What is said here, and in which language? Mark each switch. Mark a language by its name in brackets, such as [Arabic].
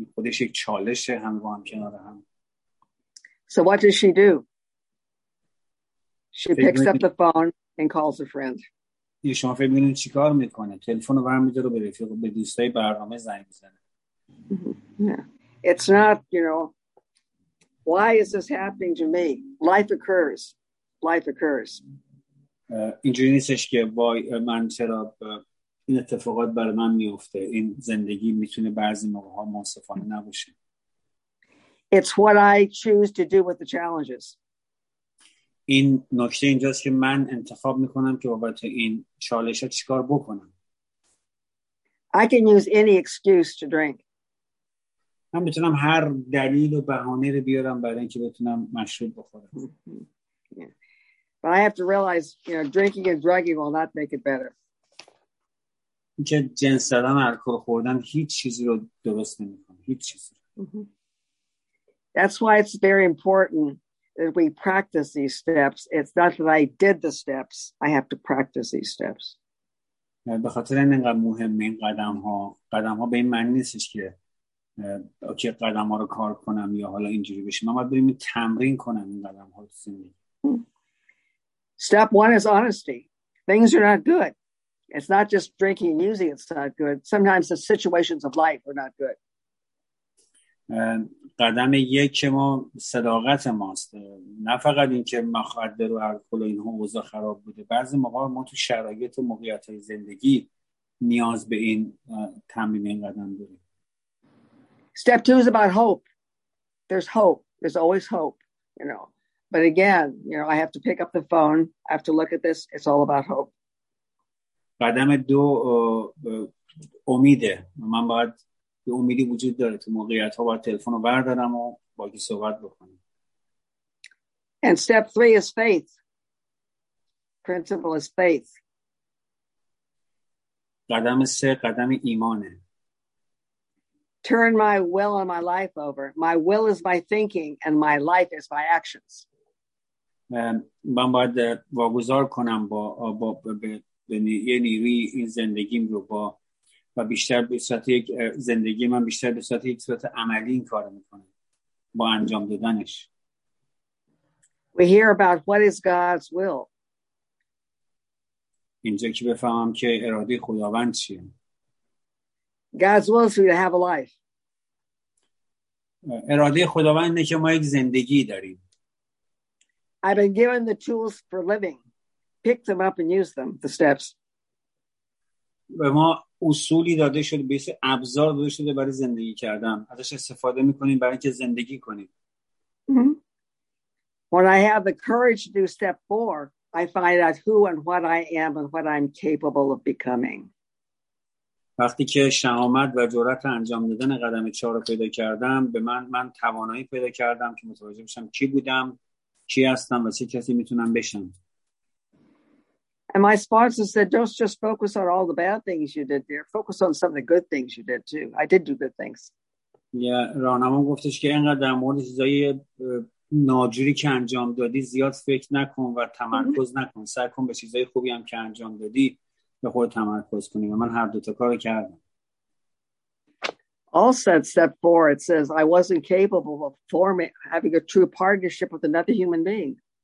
[Persian] خودش یک چالشه هم با هم کنار هم. [English] So what does she do? She picks up the phone and calls a friend. [Persian] یه شما فکر می‌کنید چی کار میکنه؟ تلفن رو برمی‌داره و به رفیق به دوستای برنامه زنگ می‌زنه. [English] It's not, you know, why is this happening to me? Life occurs. Life occurs. [Persian] اینجوری نیستش که وای من چرا این اتفاقات بر من میفته. این زندگی میتونه بعضی موقع ها منصفانه نباشه. [English] It's what I choose to do with the challenges. [Persian] این نکته اینجاست که من انتخاب میکنم که بابت این چالش ها چیکار بکنم. [English] I can use any excuse to drink. [Persian] من میتونم هر دلیل و بهانه رو بیارم برای اینکه بتونم مشروب بخورم. [English] But I have to realize, you know, drinking and drugging will not make it better. [Persian] که جنس دادن الکل خوردن هیچ چیزی رو درست نمی‌کنه. هیچ چیزی. [English] That's why it's very important that we practice these steps. It's not that I did the steps. I have to practice these steps. [Persian] به خاطر اینقدر مهم این قدم‌ها. قدم‌ها به این معنی نیستش که اوکی قدم‌ها رو کار کنم یا حالا اینجوری بشه. من باید بریم تمرین کنم این قدم‌ها رو زندگی. [English] Step one is honesty. Things are not good. It's not just drinking and using it's not good. Sometimes the situations of life are not good. [Persian] قدم یک که ما صداقت ماست. نه فقط این که مخدر و الکل و اینها اوضاع خراب بوده. بعضی موقع ما تو شرایط و موقعیت های زندگی نیاز به این تمرین این قدم داریم. [English] Step two is about hope. There's hope. There's always hope, you know. But again, you know, I have to pick up the phone. I have to look at this. It's all about hope. [Persian] قدم دو امیده. من باید یه امیدی وجود داره تو موقعیت‌ها باید تلفن رو بردارم و با کی صحبت بکنم. [English] And step three is faith. Principle is faith. [Persian] قدم سه قدم ایمانه. [English] Turn my will and my life over. My will is my thinking and my life is my actions. [Persian] من باید واگذار کنم با با به یه نیروی این زندگیم رو با و بیشتر به صورت یک زندگی من بیشتر به صورت یک صورت عملی این کار میکنم با انجام دادنش. [English] We hear about what is God's will. [Persian] اینجا که بفهمم که اراده خداوند چیه. [English] God's will is for you to have a life. [Persian] اراده خداوند اینه که ما یک زندگی داریم. [English] I've been given the tools for living. Pick them up and use them, the steps. [Persian] به ما اصولی داده شده، به ابزار داده شده برای زندگی کردن. ازش استفاده میکنیم برای اینکه زندگی کنیم. [English] When I have the courage to do step 4, I find out who and what I am and what I'm capable of becoming. [Persian] وقتی که شجاعت و جرأت انجام دادن قدم 4 رو پیدا کردم، به من توانایی پیدا کردم که متوجه بشم کی بودم، کی هستم و چه کسی میتونم بشم. [English] And my sponsor said, don't just focus on all the bad things you did there. Focus on some of the good things you did too. I did do good things. [Persian] Yeah, راهنمام گفتش که اینقدر در مورد چیزای ناجوری که انجام دادی زیاد فکر نکن و تمرکز نکن. سعی کن به چیزای خوبی هم که انجام دادی به خود تمرکز کنی. و من هر دو تا کارو کردم. [English] Also at step 4, it says, I wasn't capable of having a true partnership with another human being.